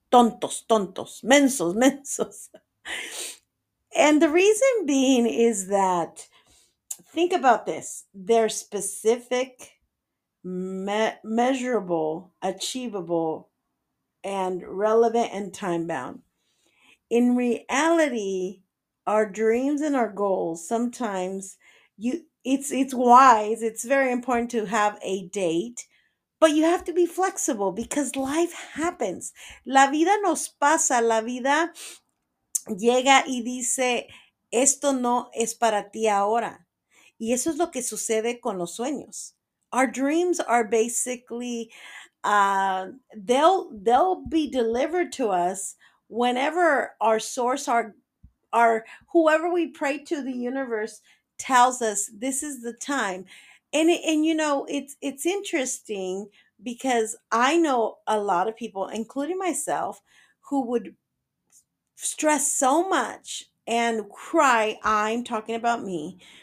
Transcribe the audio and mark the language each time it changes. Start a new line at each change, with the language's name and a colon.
Spanish: Tontos, mensos.
English: And the reason being is that, think about this, they're specific, measurable, achievable, and relevant and time-bound. In reality, our dreams and our goals, sometimes it's very important to have a date. But you have to be flexible because life happens.
Spanish: La vida nos pasa. La vida llega y dice, esto no es para ti ahora. Y eso es lo que sucede con los sueños.
English: Our dreams are basically, they'll be delivered to us whenever our source, our whoever we pray to, the universe, tells us this is the time. And you know, it's interesting because I know a lot of people, including myself, who would stress so much and cry. I'm talking about me,